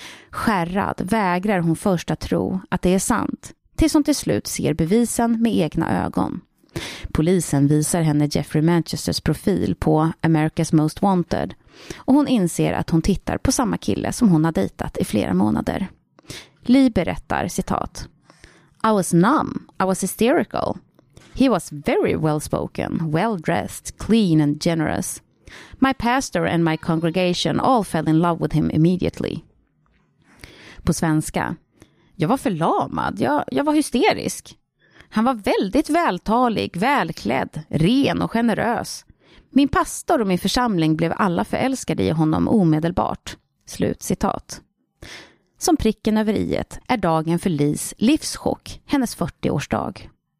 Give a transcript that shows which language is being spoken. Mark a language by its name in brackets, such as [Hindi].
[Swedish] Skärrad vägrar hon först att tro att det är sant tills hon till slut ser bevisen med egna ögon. Polisen visar henne Jeffrey Manchesters profil på America's Most Wanted och hon inser att hon tittar på samma kille som hon har dejtat i flera månader. Lee berättar, citat, [English] "I was numb, I was hysterical. He was very well-spoken, well-dressed, clean and generous. My pastor and my congregation all fell in love with him immediately." [Swedish] På svenska. "Jag var förlamad, jag var hysterisk. Han var väldigt vältalig, välklädd, ren och generös. Min pastor och min församling blev alla förälskade i honom omedelbart." Slut citat. Som pricken över iet är dagen för Lees livschock, hennes 40-årsdag.